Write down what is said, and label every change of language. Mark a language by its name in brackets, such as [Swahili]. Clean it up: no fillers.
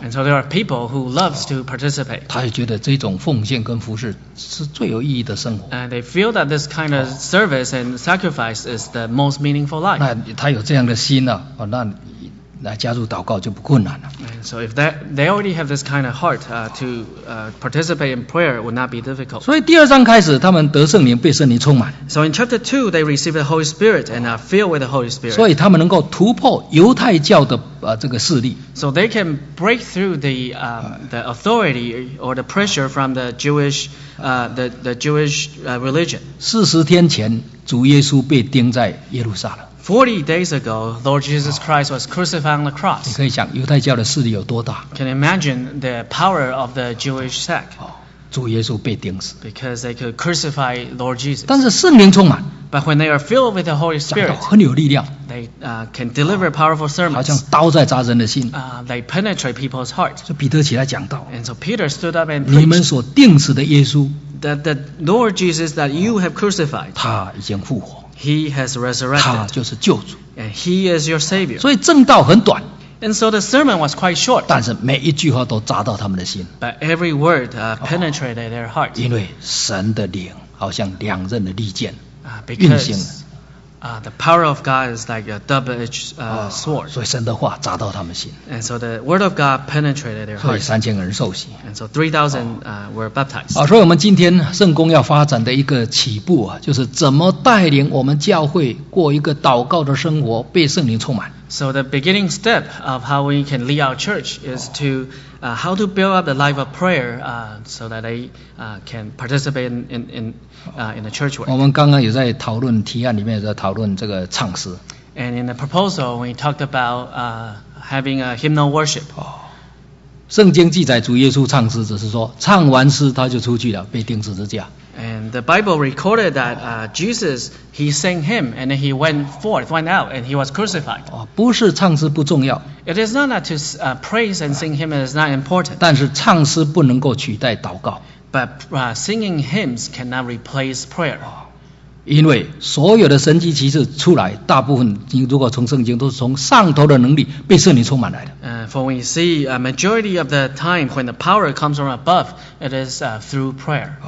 [English] And so there are people who loves to participate. [Chinese] 他也觉得这种奉献跟服事是最有意义的生活。 [English] And they feel that this kind of service and sacrifice is the most meaningful life. [Chinese] 那他有这样的心那来加入祷告就不困难了。 [English] So if they already have this kind of heart participate in prayer, it would not be difficult. [Chinese] 所以第二章开始，他们得圣灵，被圣灵充满。 [English] So in chapter 2, they receive the Holy Spirit and are filled with the Holy Spirit. [Chinese] 所以他们能够突破犹太教的这个势力。 [English] So they can break through the authority or the pressure from the Jewish Jewish religion. [Chinese] 40天前，主耶稣被钉在耶路撒冷。 [English] 40 days ago, Lord Jesus Christ was crucified on the cross. [Chinese] 你可以想犹太教的势力有多大。 [English] Can you imagine the power of the Jewish sect? [Chinese] 主耶稣被钉死。 [English] Because they could crucify Lord Jesus. [Chinese] 但是圣灵充满。 [English] But when they are filled with the Holy Spirit, [Chinese] 讲得很有力量。 [English] They can deliver powerful sermons. [Chinese] 好像刀在扎人的心。 [English] They penetrate people's hearts. [Chinese] 就彼得起来讲道。 [English] And so Peter stood up and preached. [Chinese] 你们所钉死的耶稣。 [English] That the Lord Jesus that you have crucified. [Chinese] 他已经复活。 [English] He has resurrected. [Chinese] 他就是救主。 [English] And he is your savior. [Chinese] 所以正道很短。 [English] And so the sermon was quite short. [Chinese] 但是每一句话都扎到他们的心。 [English] But every word penetrated their heart. [Chinese] 因为神的灵好像两刃的利剑运行了。 [English] The power of God is like a double-edged sword. [Chinese] 所以神的话扎到他们心。 [English] And so the word of God penetrated their hearts. [Chinese] 所以三千个人受洗。 [English] And so 3,000 were baptized. [Chinese] 所以我们今天圣工要发展的一个起步就是怎么带领我们教会过一个祷告的生活，被圣灵充满。 [English] So the beginning step of how we can lead our church is to how to build up the life of prayer so that they can participate in the church work. [Chinese] 我们刚刚有在讨论提案里面在讨论这个唱诗。 [English] And in the proposal, we talked about having a hymnal worship. [Chinese] 圣经记载主耶稣唱诗只是说唱完诗他就出去了被钉十字架。 [English] And the Bible recorded that Jesus, he sang him, and then he went out, and he was crucified. [Chinese] 不是唱诗不重要。 [English] It is not that to praise and sing him is not important. [Chinese] 但是唱诗不能够取代祷告。 [English] But singing hymns cannot replace prayer. [Chinese] 因为所有的神迹奇事出来，大部分如果从圣经都是从上头的能力被圣灵充满来的。 [English] For we see a majority of the time when the power comes from above, it is through prayer.